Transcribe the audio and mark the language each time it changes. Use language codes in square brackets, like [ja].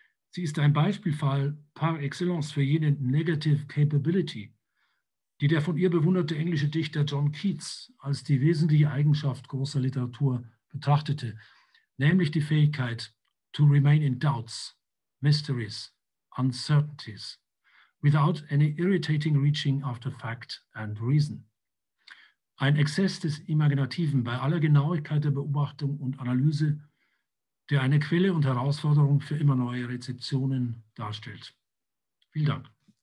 [de] Sie ist ein Beispielfall par excellence für jene Negative Capability, die der von ihr bewunderte englische Dichter John Keats als die wesentliche Eigenschaft großer Literatur betrachtete, nämlich die Fähigkeit, [en] to remain in doubts, mysteries, uncertainties, without any irritating reaching after fact and reason. [de] Ein Exzess des Imaginativen bei aller Genauigkeit der Beobachtung und Analyse, der eine Quelle und Herausforderung für immer neue Rezeptionen darstellt. Vielen Dank.